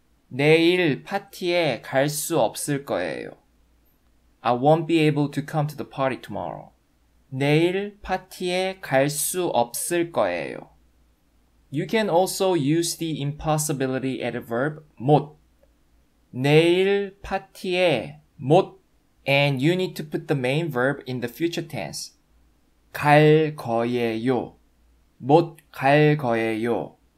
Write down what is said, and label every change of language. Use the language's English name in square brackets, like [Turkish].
[Korean] 내일 파티에 갈 수 없을 거예요. [English] I won't be able to come to the party tomorrow. [Korean] 내일 파티에 갈 수 없을 거예요. [English] You can also use the impossibility adverb 못. [Korean] 내일 파티에 못. [English] And you need to put the main verb in the future tense. [Korean] 갈 거예요. 못 갈 거예요.